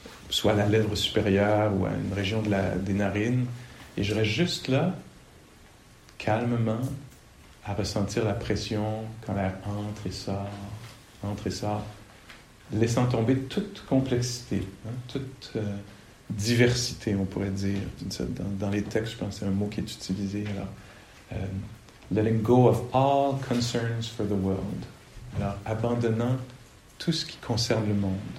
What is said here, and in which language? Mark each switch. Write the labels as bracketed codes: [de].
[fr] soit à la lèvre supérieure ou à une région des narines, et je reste juste là, calmement, à ressentir la pression quand l'air entre et sort, laissant tomber toute complexité, hein, toute diversité, on pourrait dire. Dans les textes, je pense que c'est un mot qui est utilisé. [en] Alors, letting go of all concerns for the world. [fr] Alors, abandonnant tout ce qui concerne le monde.